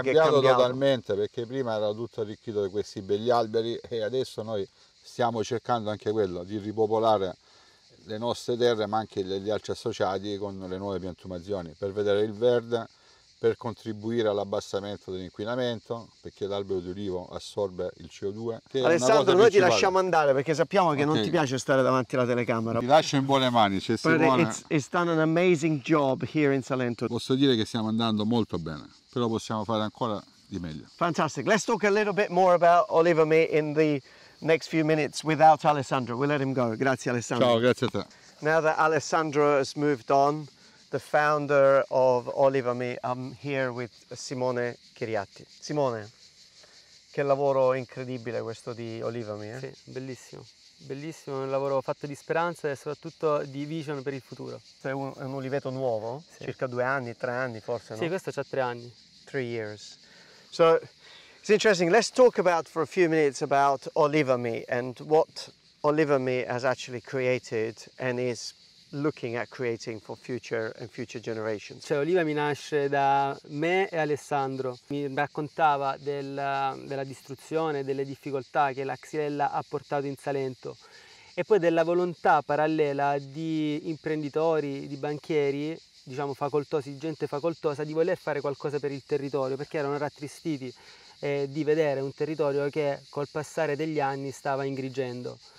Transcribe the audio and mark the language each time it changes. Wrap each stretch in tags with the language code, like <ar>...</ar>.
<it>Che è cambiato totalmente, perché prima era tutto arricchito di questi begli alberi e adesso noi stiamo cercando anche quello di ripopolare le nostre terre, ma anche gli altri associati con le nuove piantumazioni, per vedere il verde, per contribuire all'abbassamento dell'inquinamento, perché l'albero di olivo assorbe il CO2. Che Alessandro, noi ti lasciamo andare perché sappiamo che non ti piace stare davanti alla telecamera. Ti lascio in buone mani, c'è Simone.</it> <en>It's done an amazing job here in Salento.</en> <it>Posso dire che stiamo andando molto bene, però possiamo fare ancora di meglio.</it> <en>Fantastic. Let's talk a little bit more about Olivami in the next few minutes without Alessandro. We'll let him go.</en> <it>Grazie Alessandro. Ciao, grazie a te.</it> <en>Now that Alessandro has moved on, the founder of Olivami, I'm here with Simone Chiriatti.</en> <it>Simone, che lavoro incredibile questo di Olivami, eh? Sì, bellissimo. Bellissimo, un lavoro fatto di speranza e soprattutto di vision per il futuro. Questo è un oliveto nuovo? Sì. Circa due anni, tre anni forse, no? Sì, questo c'ha tre anni.</it> <en>Three years. So, it's interesting. Let's talk about for a few minutes about Olivami and what Olivami has actually created and is looking at creating for future and future generations.</en> <it>Cioè, Oliva mi nasce da me e Alessandro. Mi raccontava della distruzione, delle difficoltà che la Xilella ha portato in Salento e poi della volontà parallela di imprenditori, di banchieri, diciamo, facoltosi, gente facoltosa, di voler fare qualcosa per il territorio, perché erano rattristiti di vedere un territorio che col passare degli anni stava ingrigendo.</it>